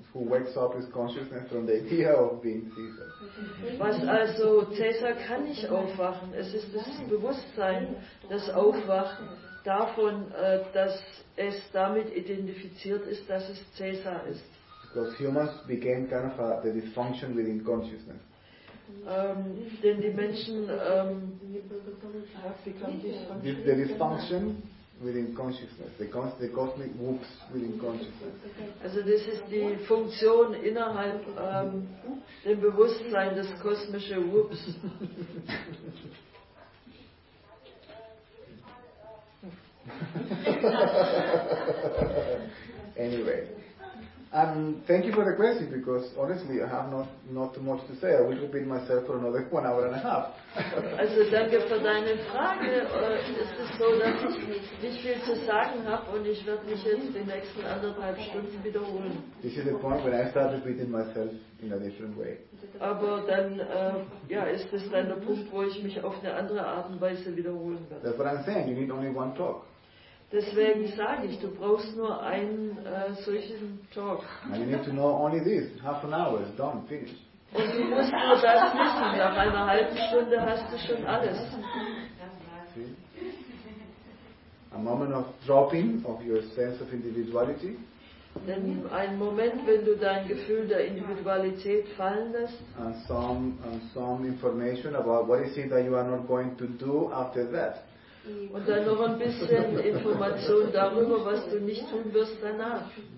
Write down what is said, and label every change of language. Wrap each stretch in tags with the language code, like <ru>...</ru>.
<en>Who wakes up his consciousness from the idea of being Caesar?</en> <de>Was also Caesar kann nicht aufwachen. Es ist das Bewusstsein, das aufwacht davon, dass es damit identifiziert ist, dass es Caesar ist.</de> <en>Because humans began kind of the dysfunction within consciousness.</en> <de>Denn die Menschen</de> <en>the dysfunction within consciousness, the cosmic whoops within consciousness.</en> <de>Also das ist die Funktion innerhalb dem Bewusstsein, das kosmische whoops.</de> <en>Anyway. Thank you for the question, because honestly I have not too much to say. I will repeat myself for another 1.5 hours.</en> <de>Also danke für deine Frage. Es ist so, dass ich nicht viel zu sagen habe und ich werde mich jetzt die nächsten 1.5 Stunden wiederholen.</de> <en>This is the point when I start repeating myself in a different way.</en> <de>Aber dann ist das dann der Punkt, wo ich mich auf eine andere Art und Weise wiederholen werde.</de> <en>That's what I'm saying, you need only one talk.</en> <de>Deswegen sage ich, du brauchst nur einen solchen Talk.</de> <en>And you need to know only this, 1/2 hour, it's done, finish.</en> <de>Und du musst nur das wissen, nach einer halben Stunde hast du schon alles.</de> <en>A moment of dropping of your sense of individuality.</en> <de>Denn ein Moment, wenn du dein Gefühl der Individualität fallen lässt.</de> <en>And some information about what is it that you are not going to do after that.</en> <de>Und dann noch ein bisschen Information darüber, was du nicht tun wirst danach.</de>